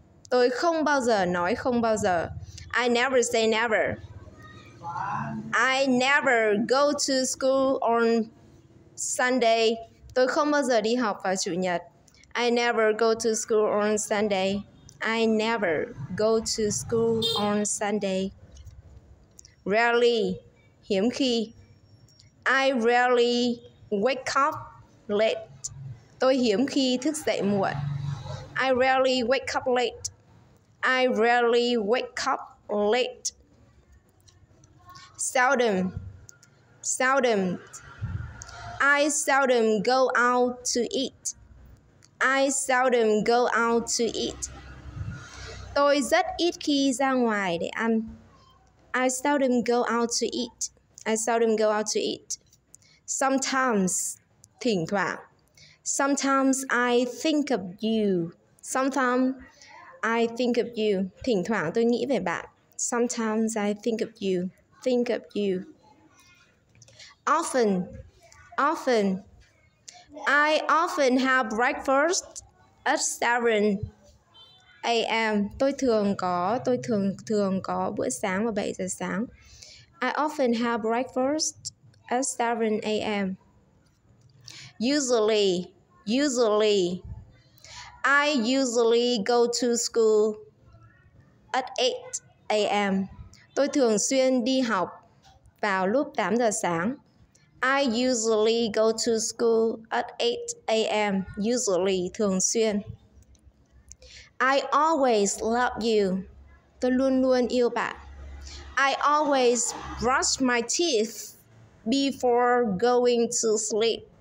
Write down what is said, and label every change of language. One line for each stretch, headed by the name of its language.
Vietnamese: Tôi không bao giờ nói không bao giờ.
English: I never say never. I never go to school on Sunday.
Vietnamese: Tôi không bao giờ đi học vào Chủ nhật.
English: I never go to school on Sunday. I never go to school on Sunday. Rarely,
Vietnamese: hiếm khi.
English: I rarely wake up late.
Vietnamese: Tôi hiếm khi thức dậy muộn.
English: I rarely wake up late. I rarely wake up late. Seldom, seldom. I seldom go out to eat. I seldom go out to eat.
Vietnamese: Tôi rất ít khi ra ngoài để ăn.
English: I seldom go out to eat. I seldom go out to eat. Sometimes,
Vietnamese: thỉnh thoảng.
English: Sometimes I think of you. Sometimes I think of you.
Vietnamese: Thỉnh thoảng tôi nghĩ về bạn.
English: Sometimes I think of you. Think of you. Often, often. I often have breakfast at 7 a.m.
Vietnamese: Tôi thường có bữa sáng vào 7 giờ sáng.
English: I often have breakfast at 7 a.m. Usually, usually. I usually go to school at 8 a.m.
Vietnamese: Tôi thường xuyên đi học vào lúc 8 giờ sáng.
English: I usually go to school at 8 a.m. Usually,
Vietnamese: thường xuyên.
English: I always love you.
Vietnamese: Tôi luôn luôn yêu bạn.
English: I always brush my teeth before going to sleep.